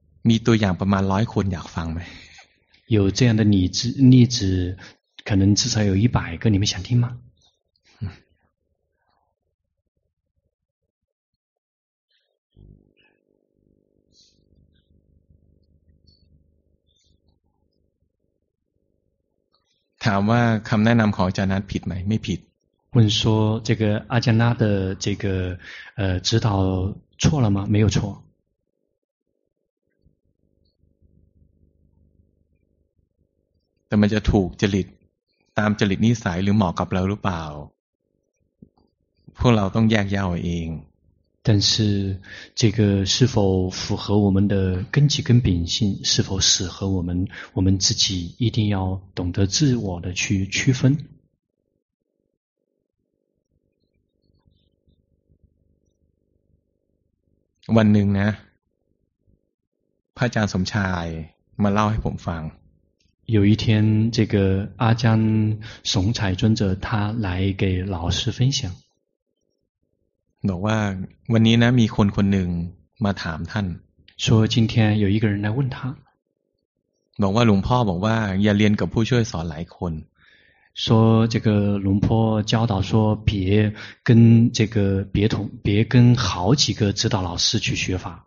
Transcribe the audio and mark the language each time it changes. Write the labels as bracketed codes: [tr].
[th] มีตัวอย่างประมาณ100คนอยากฟังไหม [zh] 有这样的例子可能至少有100个你们想听吗 [th] ถามว่าคำแนะนำของอาจารย์นั้นผิดไหมไม่ผิด [zh] 问说这个阿加纳的这个指导错了吗没有错但是它会对着 [th] จริต ตามจริตนิสัยหรือเหมาะกับเราหรือเปล่าพวกเราต้องแยกย่อยเอง [zh] 但是这个是否符合我们的根基跟秉性是否适合我们我们自己一定要懂得自我的去区分 [th] วันหนึ่งนะพระอาจารย์สมชายมาเล่าให้ผมฟัง [zh] 有一天这个阿江松彩尊者他来给老师分享 [th] บอกว่าวันนี้นะมีคนคนหนึ่งมาถามท่าน [zh] 说今天有一个人来问他 [th] บอกว่าหลวงพ่อบอกว่าอย่าเรียนกับผู้ช่วยสอนหลายคน [zh] 说这个龙坡教导说别跟这个别同别跟好几个指导老师去学法